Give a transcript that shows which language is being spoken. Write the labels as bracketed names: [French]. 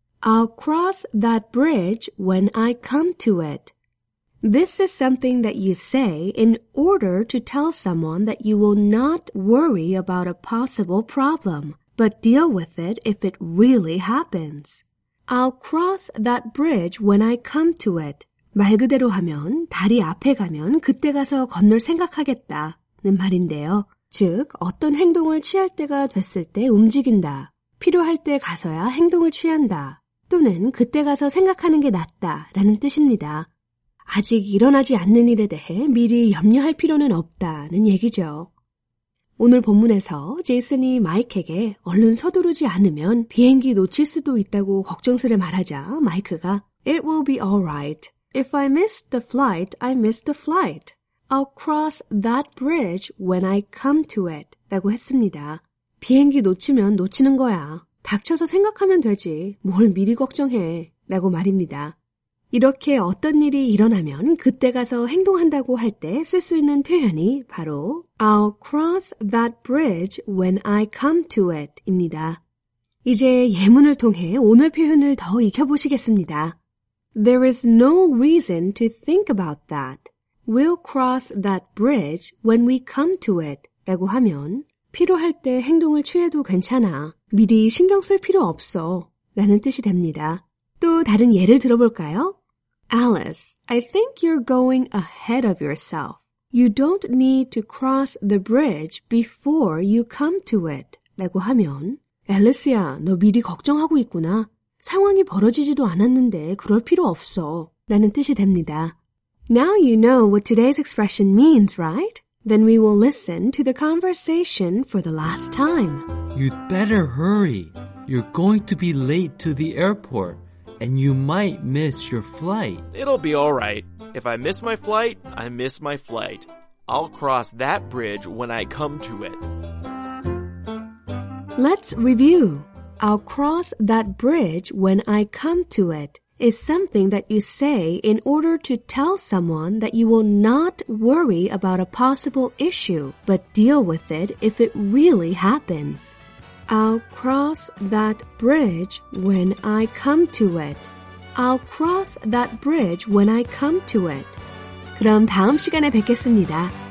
[English] I'll cross that bridge when I come to it. This is something that you say in order to tell someone that you will not worry about a possible problem, but deal with it if it really happens. I'll cross that bridge when I come to it. [Korean] 말 그대로 하면 다리 앞에 가면 그때 가서 건널 생각하겠다는 말인데요. 즉, 어떤 행동을 취할 때가 됐을 때 움직인다. 필요할 때 가서야 행동을 취한다. 또는 그때 가서 생각하는 게 낫다라는 뜻입니다. 아직 일어나지 않는 일에 대해 미리 염려할 필요는 없다는 얘기죠. 오늘 본문에서 제이슨이 마이크에게 얼른 서두르지 않으면 비행기 놓칠 수도 있다고 걱정스레 말하자 마이크가 [English] It will be all right. If I miss the flight, I miss the flight. I'll cross that bridge when I come to it. [Korean] 라고 했습니다. 비행기 놓치면 놓치는 거야. 닥쳐서 생각하면 되지. 뭘 미리 걱정해. 라고 말입니다. 이렇게 어떤 일이 일어나면 그때 가서 행동한다고 할 때 쓸 수 있는 표현이 바로 [English] I'll cross that bridge when I come to it [Korean] 입니다. 이제 예문을 통해 오늘 표현을 더 익혀보시겠습니다. [English] There is no reason to think about that. We'll cross that bridge when we come to it [Korean] 라고 하면 필요할 때 행동을 취해도 괜찮아. 미리 신경 쓸 필요 없어 라는 뜻이 됩니다. 또 다른 예를 들어볼까요? [English] Alice, I think you're going ahead of yourself. You don't need to cross the bridge before you come to it. [Korean] 라고 하면 Alice야, 너 미리 걱정하고 있구나. 상황이 벌어지지도 않았는데 그럴 필요 없어. 라는 뜻이 됩니다. [English] Now you know what today's expression means, right? Then we will listen to the conversation for the last time. You'd better hurry. You're going to be late to the airport. And you might miss your flight. It'll be all right. If I miss my flight, I miss my flight. I'll cross that bridge when I come to it. Let's review. I'll cross that bridge when I come to it is something that you say in order to tell someone that you will not worry about a possible issue, but deal with it if it really happens. I'll cross that bridge when I come to it. I'll cross that bridge when I come to it. [Korean] 그럼 다음 시간에 뵙겠습니다.